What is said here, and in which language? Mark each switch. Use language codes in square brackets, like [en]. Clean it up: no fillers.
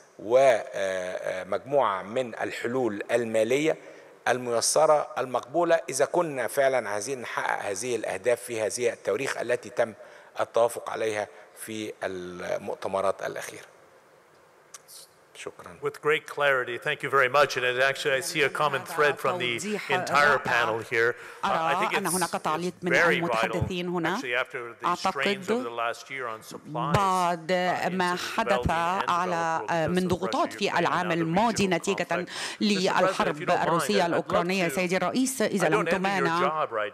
[ar] ومجموعة من الحلول المالية الميسرة المقبولة إذا كنا فعلا عايزين نحقق هذه الأهداف في هذه التواريخ التي تم التوافق عليها في المؤتمرات الأخيرة. شكراً. [en] With great clarity, thank you very much. And actually, I see a common thread from the entire panel here. I think it's very vital. Actually, after the strains over the last year on supply, [ar] بعد ما حدث على من ضغوطات في العام الماضي نتيجة للحرب الروسية الأوكرانية سيدي الرئيس إذا لم تمانع.